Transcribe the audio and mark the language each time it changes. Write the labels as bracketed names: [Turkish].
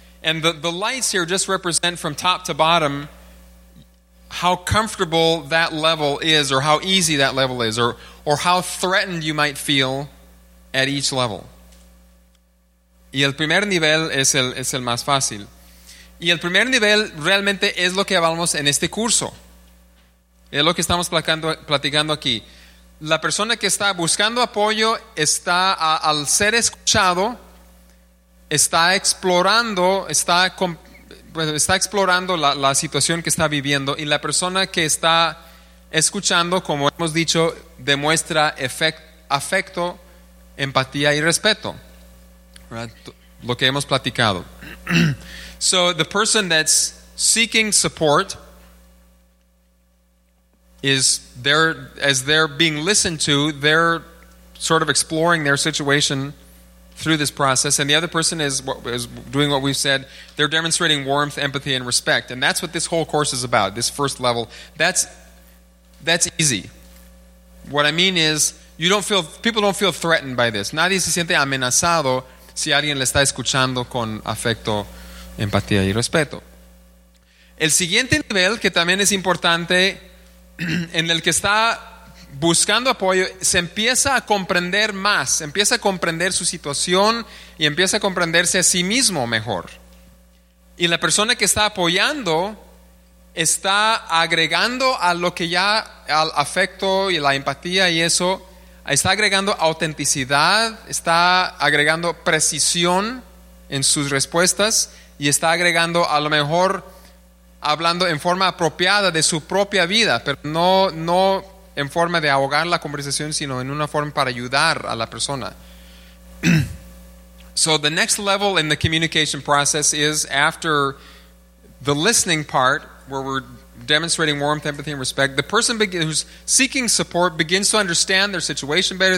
[English] And the lights here just represent from top to bottom how comfortable that level is, or how easy that level is, or how threatened you might feel at each level. [Spanish] Y el primer nivel es el más fácil. Y el primer nivel realmente es lo que hablamos en este curso. Es lo que estamos platicando aquí. La persona que está buscando apoyo está al ser escuchado, está explorando la situación que está viviendo, y la persona que está escuchando, como hemos dicho, demuestra afecto, empatía y respeto, right? Lo que hemos platicado. [English] So the person that's seeking support is there, as they're being listened to, they're sort of exploring their situation through this process, and the other person is doing what we've said. They're demonstrating warmth, empathy, and respect, and that's what this whole course is about, this first level. That's easy. What I mean is, people don't feel threatened by this. [Spanish] Nadie se siente amenazado si alguien le está escuchando con afecto, empatía y respeto. El siguiente nivel, que también es importante, en el que está buscando apoyo, se empieza a comprender más, empieza a comprender su situación y empieza a comprenderse a sí mismo mejor. Y la persona que está apoyando está agregando a lo que ya, al afecto y la empatía y eso, está agregando autenticidad, está agregando precisión en sus respuestas y está agregando, a lo mejor, hablando en forma apropiada de su propia vida, pero no en forma de ahogar la conversación, sino en una forma para ayudar a la persona. [English] So the next level in the communication process is, after the listening part, where we're demonstrating warmth, empathy, and respect, the person who's seeking support begins to understand their situation better.